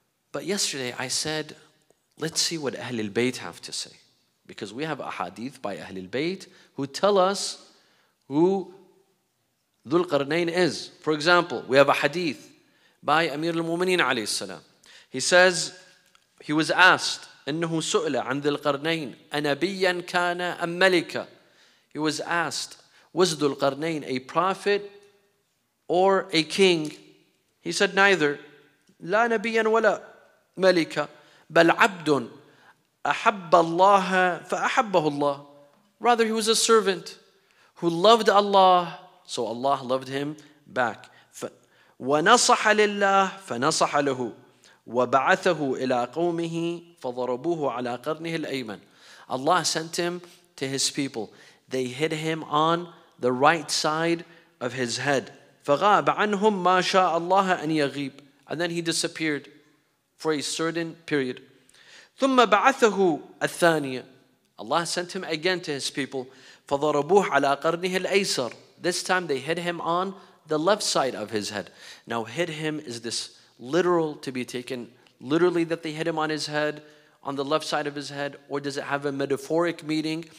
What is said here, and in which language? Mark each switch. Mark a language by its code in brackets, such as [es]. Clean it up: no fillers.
[en] But yesterday I said, let's see what Ahlul Bayt have to say. Because we have a hadith by Ahlul Bayt who tell us who Dhul Qarnayn is. For example, we have a hadith by Amir al-Mu'mineen alayhi salam. He says, he was asked, [ar] إنه سؤل عن ذي القرنين أنبيا كان أم ملكا. [en] He was asked, was Dhul Qarnayn a prophet or a king? He said, neither. [ar] لا نبيا ولا ملكا بل عبد أحب الله فأحبه الله. [en] Rather, he was a servant who loved Allah, so Allah loved him back. [ar] ونصح لله فنصح له وبعثه إلى قومه فضربوه على قرنه الأيمن. [en] Allah sent him to his people. They hit him on the right side of his head. [ar] فغاب عنهم ما شاء الله أن يغيب. [en] And then he disappeared for a certain period. [ar] ثم بعثه الثانية. [en] Allah sent him again to his people. [ar] فضربوه على قرنه الأيسر. [en] This time they hit him on the left side of his head. Now, hit him is this literal, to be taken literally, that they hit him on his head, on the left side of his head, or does it have a metaphoric meaning?